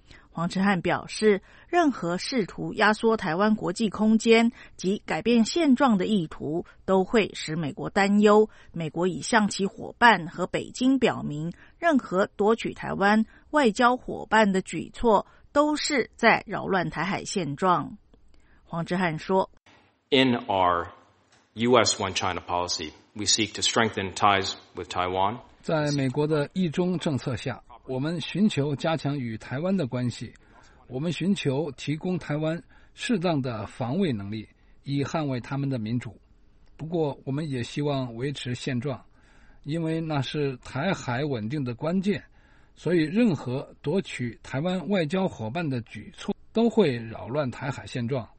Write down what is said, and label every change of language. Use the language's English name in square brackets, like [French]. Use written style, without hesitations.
[Chinese] 黄之汉表示，任何试图压缩台湾国际空间及改变现状的意图都会使美国担忧，美国已向其伙伴和北京表明，任何夺取台湾外交伙伴的举措都是在扰乱台海现状。黄之汉说， [English] In our US One China policy, we seek to strengthen ties with Taiwan. [Chinese] 在美国的一中政策下，我们寻求加强与台湾的关系，我们寻求提供台湾适当的防卫能力，以捍卫他们的民主。不过，我们也希望维持现状，因为那是台海稳定的关键，所以任何夺取台湾外交伙伴的举措都会扰乱台海现状。